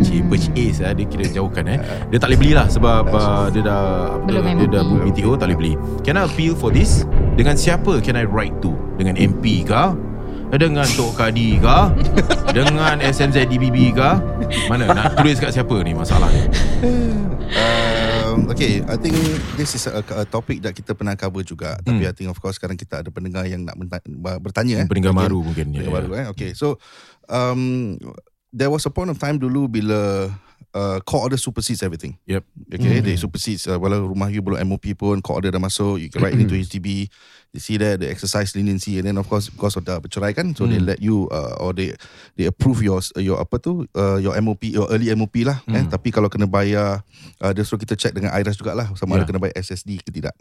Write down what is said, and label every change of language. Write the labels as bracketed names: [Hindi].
[Malay] Purchase, dia kira jauhkan dia tak boleh beli lah sebab dia dah book BTO, tak boleh beli. [English] Can I appeal for this? [Malay] Dengan siapa [English] can I write to? [Malay] Dengan MP kah? Dengan Tok Kadi kah? Dengan SMZDBB kah? Mana nak tulis kat siapa ni masalah ni? [English] Okay, I think this is a topic that [Malay] kita pernah cover juga. Tapi [English] I think of course [Malay] sekarang kita ada pendengar yang nak bertanya. Pendengar baru mungkin. [English] Okay, so there was a point of time dulu bila court order supersedes everything. Yep. Okay, they supersedes. [Malay] Walau rumah you belum MOP pun, court order dah masuk, [English] you can write into HDB. You see that, they exercise leniency. And then of course, because of the bercerai kan, so they let you, or they approve your MOP, your early MOP lah. [Malay] Tapi kalau kena bayar, dia suruh kita check dengan IRAS jugalah, sama ada kena bayar SSD ke tidak.